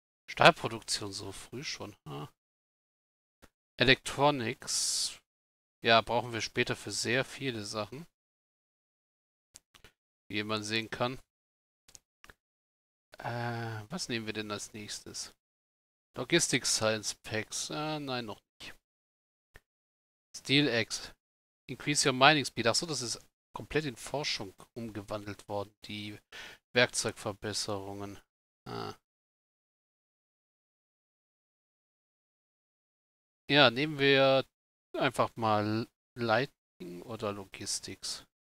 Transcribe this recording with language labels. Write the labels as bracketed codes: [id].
[de] Stahlproduktion so früh schon. Huh? Electronics, ja, brauchen wir später für sehr viele Sachen. Wie man sehen kann. Was nehmen wir denn als nächstes? Logistics Science Packs. Nein, noch nicht. Steel Axe. [en] Increase your mining speed. [de] Achso, das ist komplett in Forschung umgewandelt worden. Die Werkzeugverbesserungen. Ja, nehmen wir einfach mal Lightning oder Logistics.